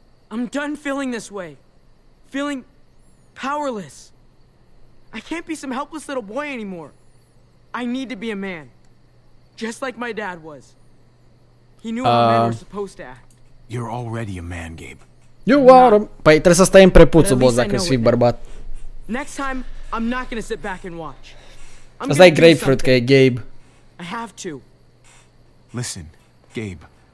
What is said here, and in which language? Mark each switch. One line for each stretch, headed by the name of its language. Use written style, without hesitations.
English: I'm done feeling this way. Feeling powerless. I can't be some helpless little boy anymore. I need to be a man, just like my dad was. He knew how men were supposed to act. You're already a man, Gabe. You are.
Romanian: Păi trebuie să stai în prepuțul, boss, dacă ești bărbat.
English: Next time, I'm not gonna sit back and watch. I'm gonna do something.
Romanian: Că e Gabe.
English: I have to. Listen, Gabe.